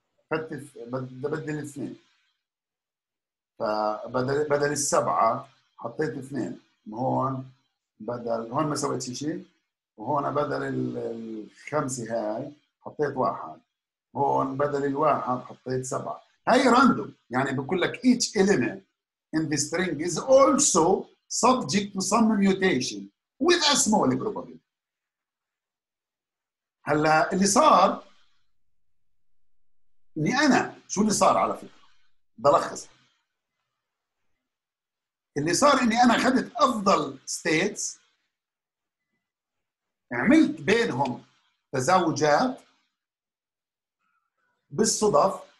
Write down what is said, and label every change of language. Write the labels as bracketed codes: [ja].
[ar] خدت بدل اثنين. فبدل السبعة حطيت اثنين، هون بدل هون ما سويت شيء، وهون بدل الخمسة هاي حطيت واحد، هون بدل الواحد حطيت سبعة. هاي راندوم، يعني بقول لك [en] each element in the string is also subject to some mutation with a small probability. [ar] هلا اللي صار اني انا شو اللي صار على فكره بلخص، اللي صار اني انا اخذت افضل ستيتس عملت بينهم تزاوجات بالصدف.